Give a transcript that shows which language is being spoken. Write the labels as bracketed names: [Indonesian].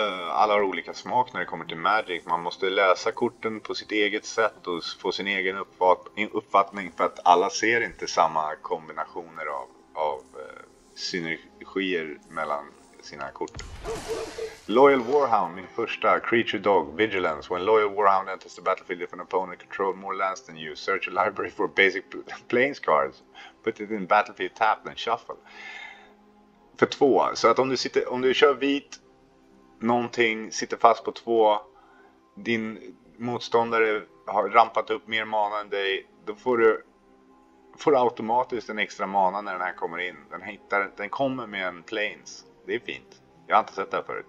[Swedish] Alla har olika smak när det kommer till Magic. Man måste läsa korten på sitt eget sätt och få sin egen uppfattning, för att alla ser inte samma kombinationer av synergier mellan sina kort. Loyal Warhound, min första creature dog, vigilance. [English] When Loyal Warhound enters the battlefield, if an opponent controls more lands than you, search a library for basic planes cards. Put it in battlefield tapped and shuffle. [Swedish] För två. Så att om du sitter, om du kör vit någonting, sitter fast på två, din motståndare har rampat upp mer mana än dig, då får du, får automatiskt en extra mana när den här kommer in. Den hittar, den kommer med en planes. Det är fint. Jag har inte sett det här förut.